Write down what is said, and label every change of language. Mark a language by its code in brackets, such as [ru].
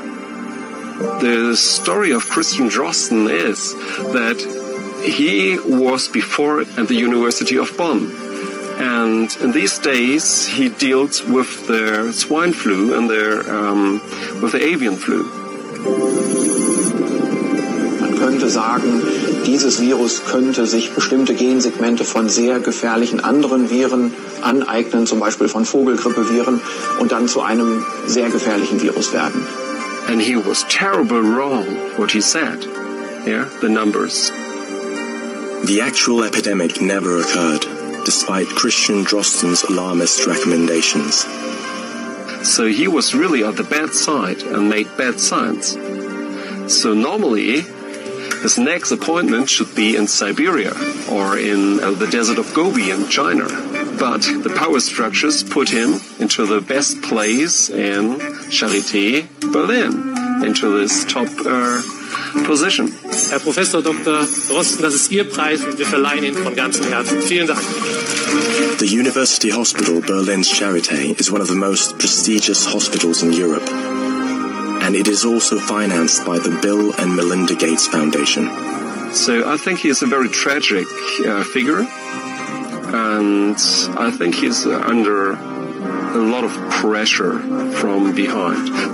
[en] The story of Christian Drosten is that he was before at the University of Bonn. And in these days, he deals with the swine flu and with the avian flu. [de] Könnte sagen, dieses Virus könnte sich bestimmte Gensegmente von sehr gefährlichen anderen Viren aneignen, zum Beispiel von Vogelgrippeviren, und dann zu einem sehr gefährlichen Virus werden. [en] And he was terrible wrong, what he said. Yeah, the numbers. The actual epidemic never occurred, despite Christian Drosten's alarmist recommendations. So he was really on the bad side and made bad science. So normally, his next appointment should be in Siberia or in the desert of Gobi in China. But the power structures put him into the best place in Charité, Berlin, into this top position. [de] Herr Professor Dr. Drosten, das ist Ihr Preis und wir verleihen ihn von ganzem Herzen. Vielen Dank. [en] The University Hospital Berlin's Charité is one of the most prestigious hospitals in Europe. And it is also financed by the Bill and Melinda Gates Foundation. So I think he is a very tragic figure. And I think he's under a lot of pressure from behind.